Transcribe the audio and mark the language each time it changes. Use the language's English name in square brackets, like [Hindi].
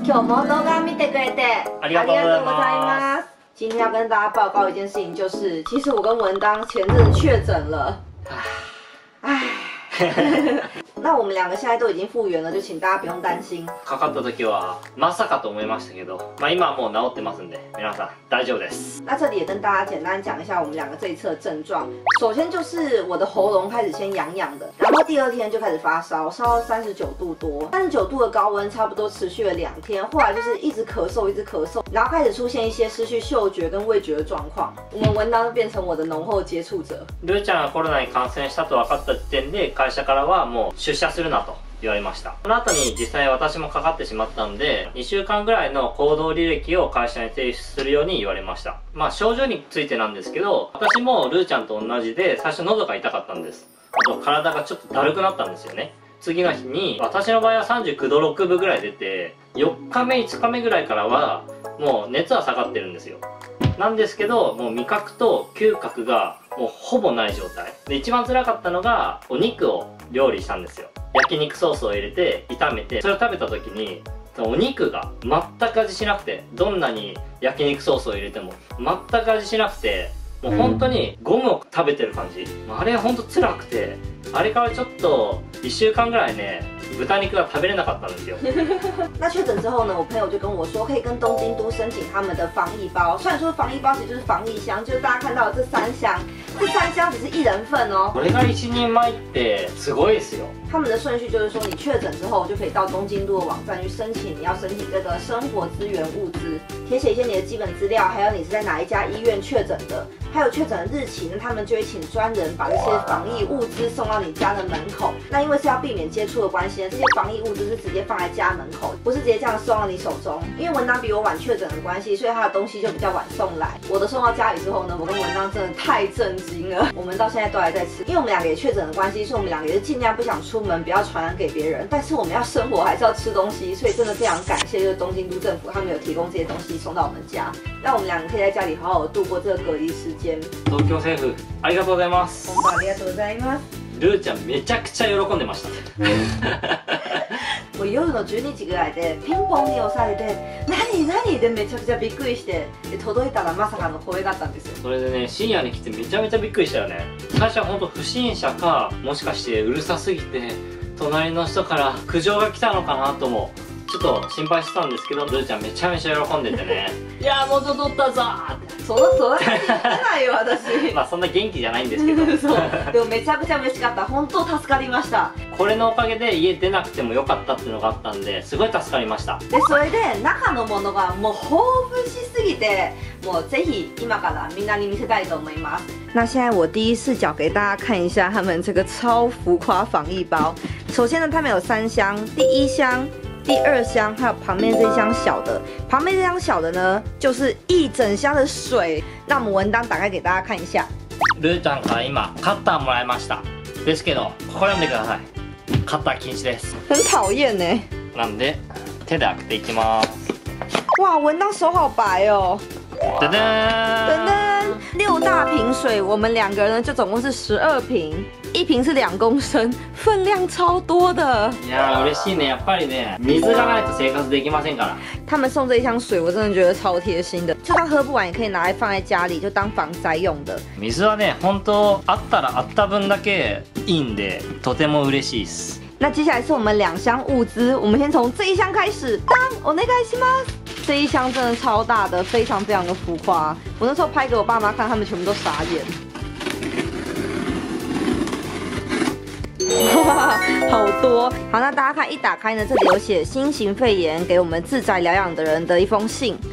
[Japanese] 今日も動画見てくれてありがとうございます。 [Chinese] 今天要跟大家报告一件事情，就是其实我跟文旦前日确诊了。那我们两个现在都已经复原了，就请大家不用担心。 [Japanese] かかった時はまさかと思いましたけど、まあ今はもう治ってますんで、皆さん大丈夫です。 [Chinese] 那这里也跟大家简单讲一下我们两个这一次的症状。首先就是我的喉咙开始先痒痒的，然后第二天就开始发烧，烧到39度多，39度的高温差不多持续了2天，后来就是一直咳嗽，一直咳嗽，然后开始出现一些失去嗅觉跟味觉的状况。我们文章变成我的浓厚接触者。 [Japanese] ルーちゃんがコロナに感染したと分かった時点で、会社からはもう出社するなと言われました。その後に実際私もかかってしまったんで、2週間ぐらいの行動履歴を会社に提出するように言われました。まあ症状についてなんですけど、私もルーちゃんと同じで最初喉が痛かったんです。あと体がちょっとだるくなったんですよね。次の日に私の場合は39度6分ぐらい出て、4日目5日目ぐらいからはもう熱は下がってるんですよ。なんですけど、もう味覚と嗅覚がもうほぼない状態で、一番辛かったのがお肉を料理したんですよ。焼肉ソースを入れて炒めて、それを食べた時にお肉が全く味しなくて、どんなに焼肉ソースを入れても全く味しなくて、もう本当にゴムを食べてる感じ。あれ本当辛くて、あれからちょっと1週間ぐらいね、豚肉が食べれなかったんですよ。 [Chinese] 那确诊之后呢，我朋友就跟我说，可以跟东京都申请他们的防疫包。虽然说防疫包其实就是防疫箱，就是大家看到的这三箱只是一人份哦。 [Japanese] これが一人前ってすごいですよ。 [Chinese] 他们的顺序就是说，你确诊之后就可以到东京都的网站去申请，你要申请这个生活资源物资，填写一些你的基本资料，还有你是在哪一家医院确诊的，还有确诊的日期，那他们就会请专人把这些防疫物资送到你家的门口。那因为是要避免接触的关系，这些防疫物资是直接放在家门口，不是直接这样送到你手中。因为文章比我晚确诊的关系，所以他的东西就比较晚送来。我的送到家里之后呢，我跟文章真的太震惊了，我们到现在都还在吃。因为我们两个也确诊的关系，所以我们两个也是尽量不想出门，不要传染给别人。但是我们要生活，还是要吃东西，所以真的非常感谢就是东京都政府，他们有提供这些东西送到我们家，让我们两个可以在家里好好度过这个隔离时间。 [Japanese] 東京政府ありがとうございます。本当ありがとうございます。ルーちゃんめちゃくちゃ喜んでました。我夜の12時ぐらいでピンポンに押されて、何何でめちゃくちゃびっくりして、届いたらまさかの声だったんですよ。それでね、深夜に来てめちゃめちゃびっくりしたよね。最初は本当不審者か、もしかしてうるさすぎて隣の人から苦情が来たのかなともちょっと心配してたんですけど、ルーちゃんめちゃめちゃ喜んでてね。いやー元取ったぞーって。そうそう、言ってないよ私。まあそんな元気じゃないんですけど。そう、でもめちゃくちゃ嬉しかった、本当助かりました。これのおかげで家出なくてもよかったっていうのがあったんで、すごい助かりました。でそれで中のものがもう豊富しすぎて、もうぜひ今からみんなに見せたいと思います。 [Chinese] 那现在我第一视角给大家看一下他们这个超浮夸防疫包。首先呢，他们有三箱，第一箱、第二箱，还有旁边这箱小的。旁边这箱小的呢，就是一整箱的水。那我们文章打开给大家看一下。 [Japanese] ルーちゃんから今カッターもらいました。ですけど、ここら見てください。カッター禁止です。 [Chinese] 很讨厌呢。 [Japanese] なんで、手で開けていきます。 [Chinese] 哇，文章手好白哦。噔噔噔噔，六大瓶水，我们两个人就总共是12瓶。一瓶是2公升，分量超多的。 [Japanese] いや嬉しいね、やっぱりね、水がないと生活できませんから。 [Chinese] 他们送这一箱水，我真的觉得超贴心的。就算喝不完，也可以拿来放在家里，就当防灾用的。 [Japanese] 水はね、本当あったらあった分だけいいんで、とても嬉しいです。 [Chinese] 那接下来是我们两箱物资，我们先从这一箱开始。 [Japanese] 当お願いします。 [Chinese] 这一箱真的超大的，非常非常的浮夸。我那时候拍给我爸妈看，他们全部都傻眼。哇，好多！好，那大家看，一打开呢，这里有写新型肺炎给我们自宅疗养的人的一封信。